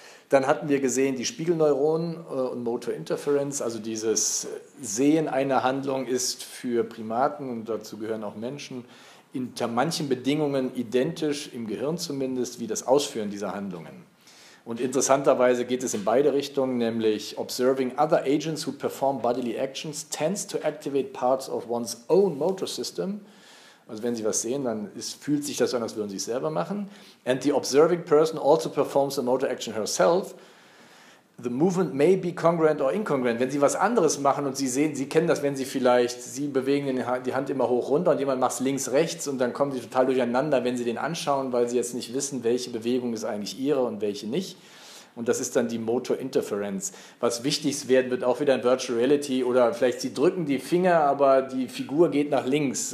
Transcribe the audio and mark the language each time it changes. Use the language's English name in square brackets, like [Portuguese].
[German] Dann hatten wir gesehen, die Spiegelneuronen und Motor Interference, also dieses Sehen einer Handlung ist für Primaten, und dazu gehören auch Menschen, unter manchen Bedingungen identisch, im Gehirn zumindest, wie das Ausführen dieser Handlungen. Und interessanterweise geht es in beide Richtungen, nämlich [English] observing other agents who perform bodily actions tends to activate parts of one's own motor system. [German] Also wenn Sie was sehen, dann fühlt sich das an, als würden Sie es selber machen. [English] And the observing person also performs a motor action herself. The movement may be congruent or incongruent. [German] Wenn Sie was anderes machen und Sie sehen, Sie kennen das, wenn Sie vielleicht, Sie bewegen die Hand immer hoch runter und jemand macht es links, rechts, und dann kommen Sie total durcheinander, wenn Sie den anschauen, weil Sie jetzt nicht wissen, welche Bewegung ist eigentlich Ihre und welche nicht. Und das ist dann die Motor Interference. Was wichtig werden wird, auch wieder in Virtual Reality, oder vielleicht Sie drücken die Finger, aber die Figur geht nach links.